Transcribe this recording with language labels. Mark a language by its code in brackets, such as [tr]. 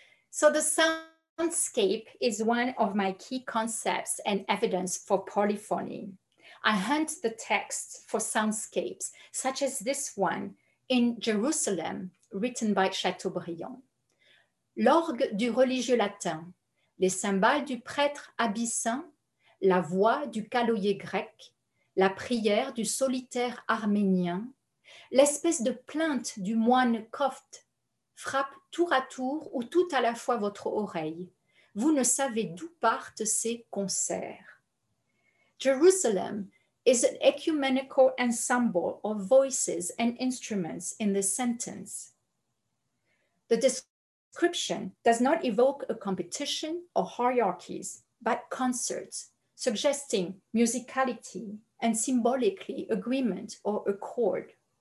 [en] So the soundscape is one of my key concepts and evidence for polyphony. I hunt the text for soundscapes, such as this one in Jerusalem, written by Chateaubriand. [fr] L'orgue du religieux latin, les cymbales du prêtre abyssin, la voix du caloyer grec, la prière du solitaire arménien, l'espèce de plainte du moine copte frappe tour à tour ou tout à la fois votre oreille. Vous ne savez d'où partent ces concerts. [en] Jerusalem is an ecumenical ensemble of voices and instruments in this sentence. The description does not evoke a competition or hierarchies, but concerts, suggesting musicality and symbolically agreement or accord.